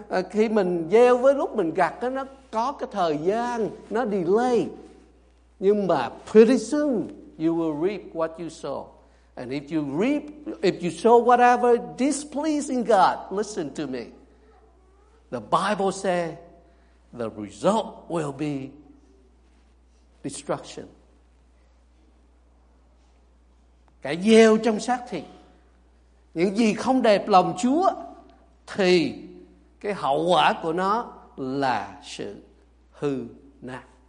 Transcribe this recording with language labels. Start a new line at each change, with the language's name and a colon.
Vietnamese: Khi mình gieo với lúc mình gặt, nó có cái thời gian, nó delay. Nhưng mà
English: pretty soon, you will reap what you sow. And if you reap, if you sow whatever displeasing God, listen to me. The Bible says the result will be destruction.
Vietnamese: Cái gieo trong xác thịt, những gì không đẹp lòng Chúa, thì cái hậu quả của nó là sự hư nát.